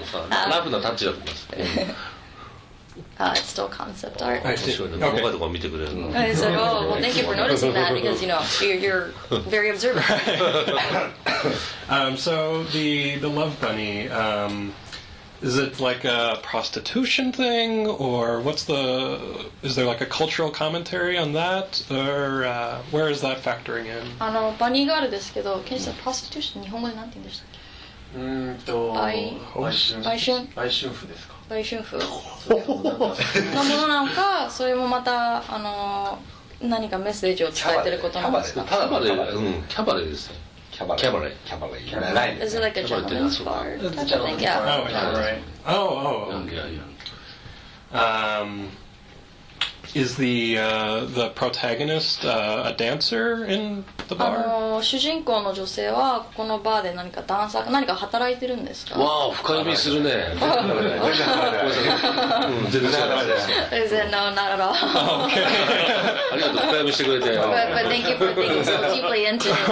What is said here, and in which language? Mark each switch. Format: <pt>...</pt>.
<ja>ラフなタッチだと思います。</ja> <en>It's still concept art. I see. Okay. I said, well, thank you for noticing that because, you know, you're very observant. So the love bunny, is it like a prostitution thing or is there like a cultural commentary on that or where is that factoring in?</en> <ja>バニーガールですけど、ケンさん、prostitution、日本語で何て言うんでしたっけ? 売春婦のものなのか、それもまた何かメッセージを伝えてることなんですか。キャバレー、キャバレーですね。キャバレー。</ja> <en>Is it like a gentleman's bar? Oh, yeah, right. Oh, oh. Is the protagonist a dancer in the bar?</en> <ja>主人公の女性はここのバーで何かダンサー何か働いてるんですか？わあ、深読みするね。全然ノーナロ。</ja> <en>Okay.</en> <ja>ありがとう、深読みしてくれて。</ja> <en>But thank you for being so deeply into</en>